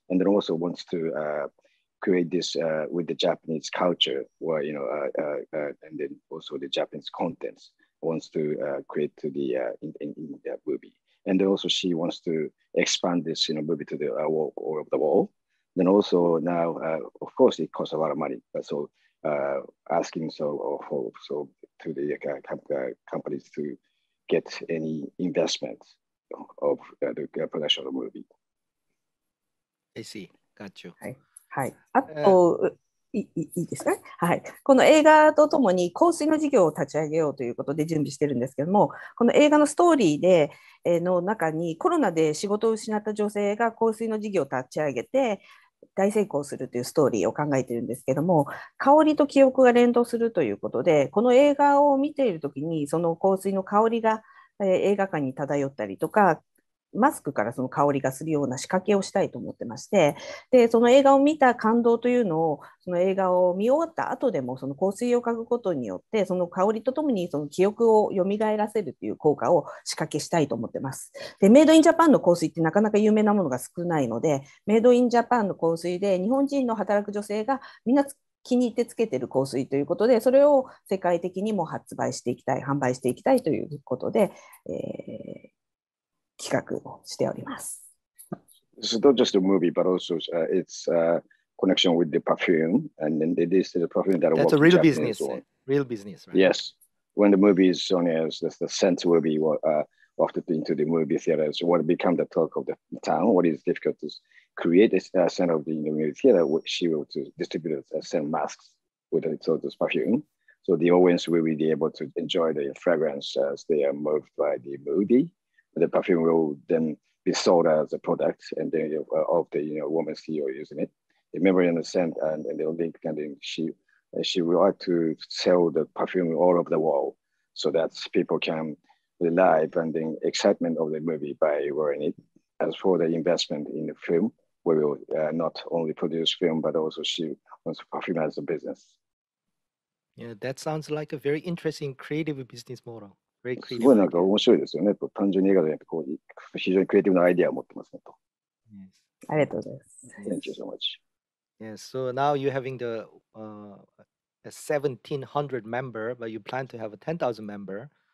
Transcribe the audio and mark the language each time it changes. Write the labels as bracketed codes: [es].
[en] And then also wants to create this with the Japanese culture, where and then also the Japanese contents wants to create to the in the movie, and also she wants to expand this movie to the world or the wall. Then also now, of course, it costs a lot of money. So asking so to the companies to get any investment of the production of the movie. I see. Got you. Hi. [ja] はい、あと、いいですか、はい、この映画とともに香水の事業を立ち上げようということで準備してるんですけども、この映画のストーリーでの中にコロナで仕事を失った女性が香水の事業を立ち上げて大成功するというストーリーを考えてるんですけども、香りと記憶が連動するということで、この映画を見ているときにその香水の香りが映画館に漂ったりとか、マスクからその香りがするような仕掛けをしたいと思ってまして、でその映画を見た感動というのを、その映画を見終わった後でもその香水を嗅ぐことによって、その香りとともにその記憶を蘇らせるという効果を仕掛けしたいと思ってます。でメイドインジャパンの香水ってなかなか有名なものが少ないので、メイドインジャパンの香水で日本人の働く女性がみんな気に入ってつけてる香水ということで、それを世界的にも発売していきたい、販売していきたいということで、企画をしております。 [en] This is not just a movie, but also it's a connection with the perfume, and then this is the perfume that works. That's a real business. Real business, right? Yes. When the movie is on air, the scent will be offered into the movie theater. So what become the talk of the town? What is difficult to create this scent of the movie theater? She will to distribute the scent masks with the sort of perfume, so the audience will be able to enjoy the fragrance as they are moved by the movie. The perfume will then be sold as a product, and then of the woman CEO using it, the memory and the scent, and the link, and then she will like to sell the perfume all over the world, so that people can live and the excitement of the movie by wearing it. As for the investment in the film, we will not only produce film, but also she wants perfume as a business. Yeah, that sounds like a very interesting creative business model. [ja] すごいなんか面白いですよね。単純に映画でやっぱこう非常にクリエイティブなアイデアを持ってますねと。 [en] Yes. [ja] ありがとうございます。 [en] Thank you so much. Yes, so now you're having the 1700 member, but you plan to have a 10,000 member.